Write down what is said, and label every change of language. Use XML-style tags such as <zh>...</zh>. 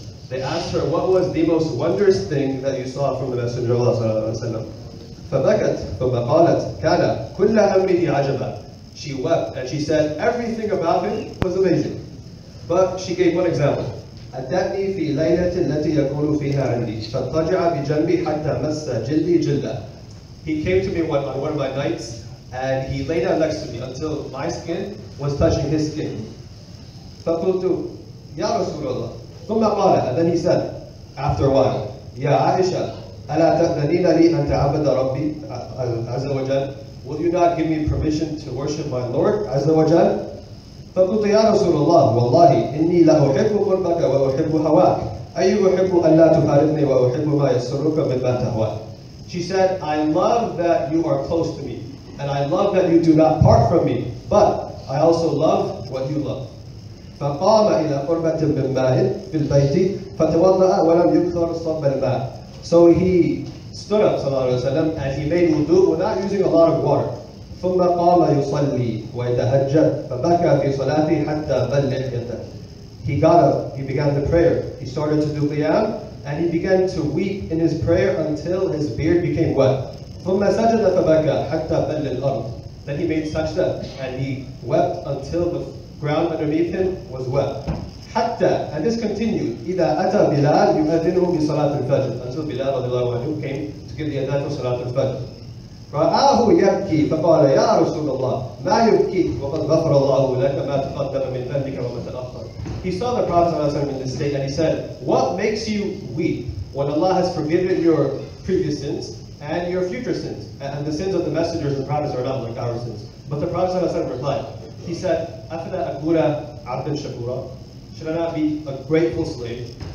<en>They asked her, what was the most wondrous thing that you saw from the Messenger of Allah?</en> <ar>فبكت فبقالت كان كل أمره عجبا.</ar> <en>She wept and she said, everything about him was amazing. But she gave one example.</en> <ar>أتاني في ليلة التي يكون فيها عندي فاتجع بجنبي حتى مس جلدي جلدا.</ar> <en>He came to me on one of my nights and he lay down next to me until my skin was touching his skin.</en> <ar>فقلت يا رسول الله ثم قال</ar> <en>and then he said after a while</en> <ar>يا عائشة ألا تأذنين لي أن تعبد ربي عز وجل</ar> <en>will you not give me permission to worship my Lord</en> <ar>عز وجل فقلت يا رسول الله والله إني لا أحب قربك وأحب هواك أي أحب أن لا تفارقني وأحب ما يسرك مما تهوى</ar> <en>She said, I love that you are close to me and I love that you do not part from me but I also love what you love</en> <ar>فقام إلى قربة من ماء في البيت فتوضأ ولم يكثر صب الماء</ar> <en>So he stood up,</en> <ar>sallallahu alayhi wa sallam,</ar> <en>and he made wudu without using a lot of water.</en> <ar>ثم قام يصلي ويتهجد فبكى في صلاته حتى بل لحيته.</ar> <en>He got up, he began the prayer, he started to do qiyam, and he began to weep in his prayer until his beard became wet.</en> <ar>ثم سجد فبكى حتى بل الأرض.</ar> <en>Then he made sajda, and he wept until the ground underneath him was wet.</en> <ar>حتى</ar> <en>and this continued</en> <ar>إذا أتى بلال يؤذنه بصلاة الفجر</ar> <en>until بلال</en> <ar>رضي الله عنه</ar> <en>came to give the adhan for</en> <ar>صلاة الفجر رآه يبكي فقال يا رسول الله ما يبكي وقد غفر الله لك ما تقدم من ذنبك وما تأخر</ar> <en>He saw the Prophet</en> <ar>صلى الله عليه وسلم</ar> <en>in this state and he said What makes you weep when Allah has forgiven your previous sins and your future sins and the sins of the messengers and prophets are not like our sins But the Prophet صلى الله عليه وسلم replied He said</en> <ar>أفلا أكون عبدا شكورا</ar> <en>Should I not be a grateful slave?</en>